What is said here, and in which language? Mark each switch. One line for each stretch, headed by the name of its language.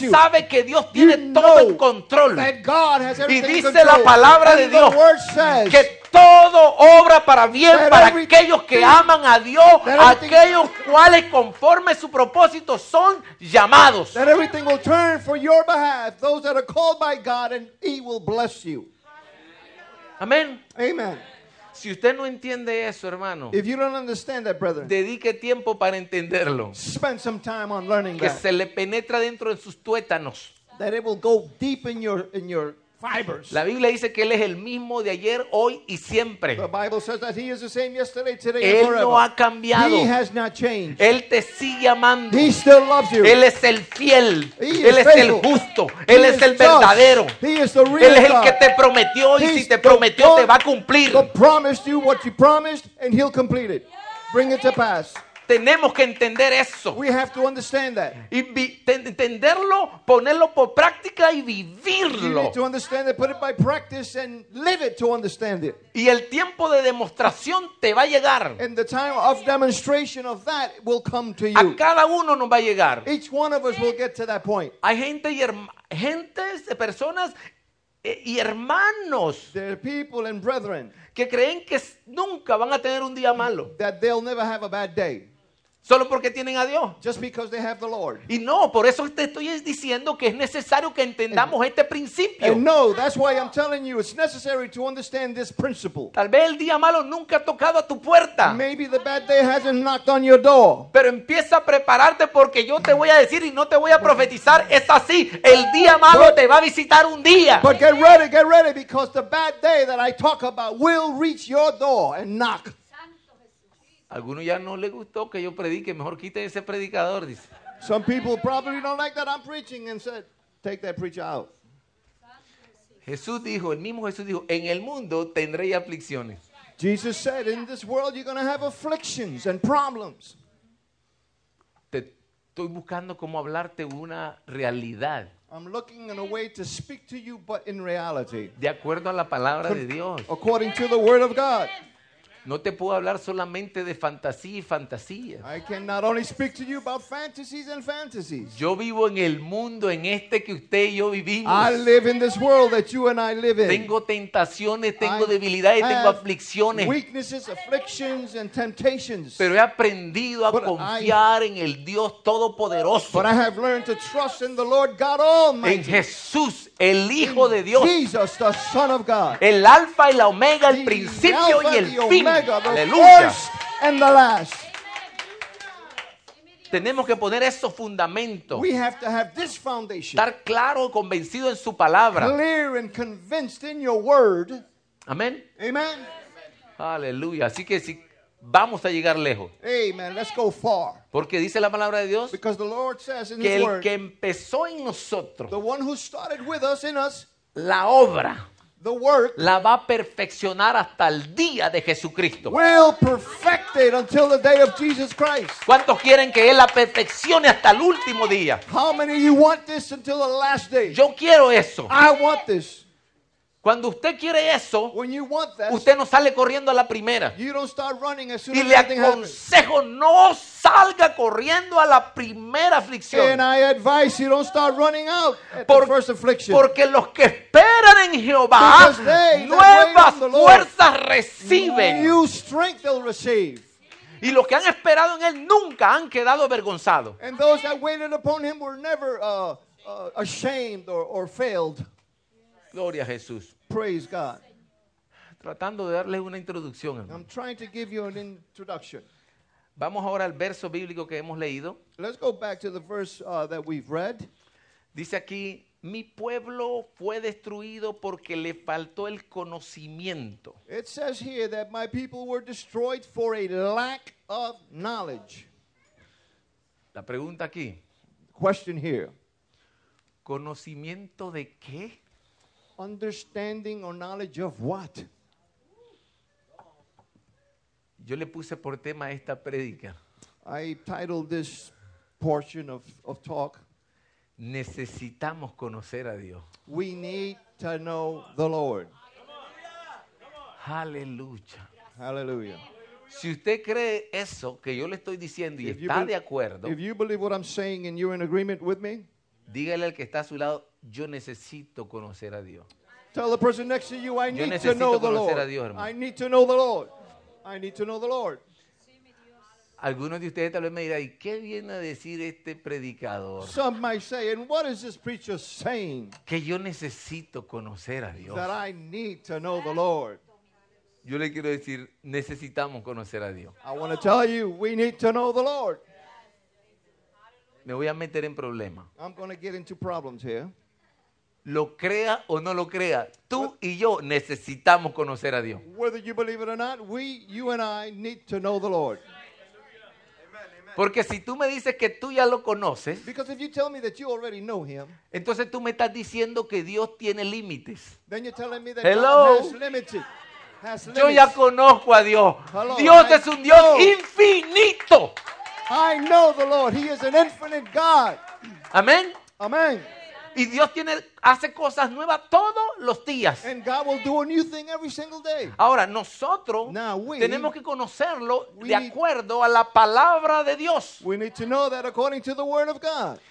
Spanish: usted sabe que Dios tiene todo en control.
English: That God has everything
Spanish: y dice
English: in control.
Spanish: La palabra
English: and
Spanish: de Dios
English: the word says,
Spanish: que todo obra para bien para aquellos que aman a Dios, aquellos cuales conforme su propósito son llamados.
English: That everything will turn for your behalf, those that are called by God, and He will bless you. Amen. Amen.
Spanish: Si usted no entiende eso, hermano,
English: if you don't understand that, brethren,
Spanish: dedique tiempo para entenderlo.
English: Spend some time on learning
Spanish: que
English: that.
Spanish: Que se le penetra dentro de sus tuétanos.
English: That it will go deep in your fibers.
Spanish: La Biblia dice que Él es el mismo de ayer, hoy y siempre.
English: The Bible says that He is the same yesterday, today, and forever.
Spanish: Él no ha cambiado.
English: He has not changed.
Spanish: Él te sigue amando.
English: He still loves you.
Spanish: Él es el fiel.
English: He
Spanish: Él
English: is faithful.
Spanish: Es el justo.
English: He
Spanish: Él es el verdadero.
English: He is the real
Spanish: Él es el
English: God.
Spanish: Que te prometió y
English: He's
Spanish: si te prometió te va a cumplir.
English: He promised you what you promised and He'll complete it. Bring it to pass.
Spanish: Tenemos que entender eso.
English: We have to understand that.
Spanish: Y entenderlo, ponerlo por práctica y vivirlo.
English: You need to understand it, put it by practice and live it to understand it.
Spanish: Y el tiempo de demostración te va a llegar.
English: And the time of demonstration of that will come to you.
Spanish: A cada uno nos va a llegar.
English: Each one of us will get to that point.
Spanish: Hay gente y gentes, personas y hermanos.
English: There are people and brethren.
Spanish: Que creen que nunca van a tener un día malo.
English: That they'll never have a bad day.
Spanish: Solo porque tienen a Dios.
English: Just because they have the Lord.
Spanish: Y no, por eso te estoy diciendo que es necesario que entendamos este principio.
English: And no, that's why I'm telling you it's necessary to understand this principle.
Spanish: Tal vez el día malo nunca ha tocado a tu puerta.
English: Maybe the bad day hasn't knocked on your door.
Spanish: Pero empieza a prepararte porque yo te voy a decir y no te voy a profetizar, es así, el día malo te va a visitar un día.
English: But get ready because the bad day that I talk about will reach your door and knock.
Spanish: Algunos ya no le gustó que yo predique, mejor quite ese predicador, dice.
English: Some people probably don't like that I'm preaching and said, take that preacher out.
Spanish: Jesús dijo, el mismo Jesús dijo, en el mundo tendré aflicciones.
English: Jesus said, in this world you're going to have afflictions and problems.
Spanish: Te estoy buscando cómo hablarte una realidad.
English: I'm looking in a way to speak to you, but in reality.
Spanish: De acuerdo a la palabra de Dios.
English: According to the word of God.
Spanish: No te puedo hablar solamente de fantasía y fantasía.
English: I cannot only speak to you about fantasies and fantasies.
Spanish: Yo vivo en el mundo, en este que usted y yo vivimos.
English: I live in this world that you and I live in.
Spanish: Tengo tentaciones, tengo debilidades, tengo aflicciones.
English: Weaknesses, afflictions, and temptations.
Spanish: Pero he aprendido a confiar en el Dios Todopoderoso.
English: But I have learned to trust in the Lord God Almighty.
Spanish: En Jesús, el Hijo de Dios.
English: Jesus, the Son of God.
Spanish: El Alfa y la Omega, el principio y el fin.
English: Mega, the first and the last. Amen.
Spanish: Tenemos que poner esos fundamentos.
English: We have to have this foundation.
Spanish: Estar claro y convencido en su palabra.
English: Clear and convinced in your word.
Spanish: Amén.
English: Amen.
Spanish: Aleluya. Así que si vamos a llegar lejos.
English: Amen. Let's go far.
Spanish: Porque dice la palabra de Dios.
English: Because the Lord says in
Spanish: que
English: his
Spanish: el
English: word,
Spanish: que empezó en nosotros.
English: The one who started with us in us.
Spanish: La obra.
English: The work
Spanish: la va a perfeccionar hasta el día de Jesucristo.
English: Will perfect it until the day of Jesus Christ.
Spanish: ¿Cuántos quieren que él la perfeccione hasta el último día?
English: How many of you want this until the last day?
Spanish: Yo quiero eso.
English: I want this.
Spanish: Cuando usted quiere eso,
English: when you want that,
Spanish: usted no sale corriendo a la primera.
English: You don't start running as soon
Spanish: y
English: as
Spanish: le aconsejo,
English: happens.
Spanish: No salga corriendo a la primera aflicción.
English: And I advise you don't start running out at the first affliction.
Spanish: Porque los que esperan en Jehová, nuevas fuerzas reciben.
English: New strength they'll receive.
Spanish: Y los que han esperado en él nunca han quedado avergonzados.
English: And those that waited upon him were never ashamed or failed.
Spanish: Gloria a Jesús.
English: Praise God.
Spanish: Tratando de darle una introducción.
English: I'm trying to give you an introduction.
Spanish: Vamos ahora al verso bíblico que hemos leído.
English: Let's go back to the verse that we've read.
Spanish: Dice aquí, mi pueblo fue destruido porque le faltó el conocimiento.
English: It says here that my people were destroyed for a lack of knowledge.
Spanish: La pregunta aquí.
English: Question here.
Spanish: ¿Conocimiento de qué?
English: Understanding or knowledge of what?
Spanish: Yo le puse por tema esta prédica.
English: I titled this portion of talk.
Spanish: Necesitamos conocer a Dios.
English: We need to know the Lord.
Spanish: Aleluya.
English: Hallelujah.
Spanish: Si usted cree eso que yo le estoy diciendo y
English: if
Spanish: está de acuerdo.
English: If you believe what I'm saying and you're in agreement with me.
Spanish: Dígale al que está a su lado, yo necesito conocer a Dios.
English: Tell the person next to you, I need to know the Lord.
Spanish: Dios,
English: I need to know the Lord. I need to know the Lord.
Spanish: Algunos de ustedes tal vez me dirán, ¿y qué viene a decir este predicador?
English: Some might say, and what is this preacher saying?
Spanish: Que yo necesito conocer a Dios.
English: That I need to know the Lord.
Spanish: Yo le quiero decir, necesitamos conocer a Dios.
English: I want to tell you, we need to know the Lord.
Spanish: Me voy a meter en problemas.
English: I'm going to get into problems here.
Spanish: Lo crea o no lo crea, tú y yo necesitamos conocer a Dios.
English: Whether you believe it or not, we, you and I need to know the Lord.
Spanish: Porque si tú me dices que tú ya lo conoces,
English: because if you tell me that you already know him,
Spanish: entonces tú me estás diciendo que Dios tiene límites.
English: Then you're telling me that hello. God has limited. Has
Spanish: yo ya conozco a Dios.
English: Hello.
Spanish: Dios
English: I
Spanish: es un Dios
English: know.
Spanish: Infinito.
English: I know the Lord. He is an infinite God.
Spanish: Amén. Amén. Y Dios tiene, hace cosas nuevas todos los días.
English: And God will do a new thing every single day.
Spanish: Ahora, nosotros
English: now, we,
Spanish: tenemos que conocerlo de acuerdo a la palabra de Dios.
English: We need to know that according to the word of God.